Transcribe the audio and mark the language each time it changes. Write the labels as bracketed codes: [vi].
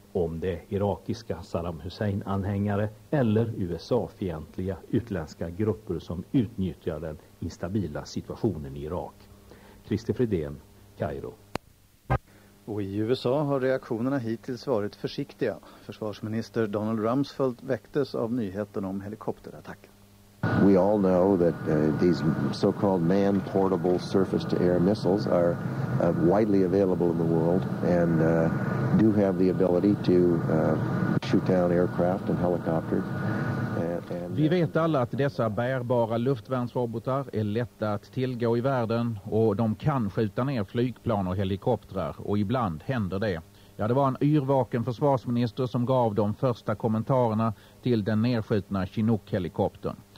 [sv] Om det är irakiska Saddam Hussein-anhängare eller USA-fientliga utländska grupper som utnyttjar den instabila situationen i Irak. Christer Fridén, Kairo. Och i USA har reaktionerna hittills varit försiktiga. Försvarsminister Donald Rumsfeld väcktes av nyheten om helikopterattacken. [en] We all know that these so-called manned portable surface-to-air missiles are widely available in the world and do have the ability to shoot down aircraft and helicopters. [sv] Vi vet alla att dessa bärbara luftvärnsrobotar är lätta att tillgå i världen och de kan skjuta ner flygplan och helikoptrar, och ibland händer det. Ja, det var en yrvaken försvarsminister som gav de första kommentarerna till den nedskjutna Chinook-helikoptern.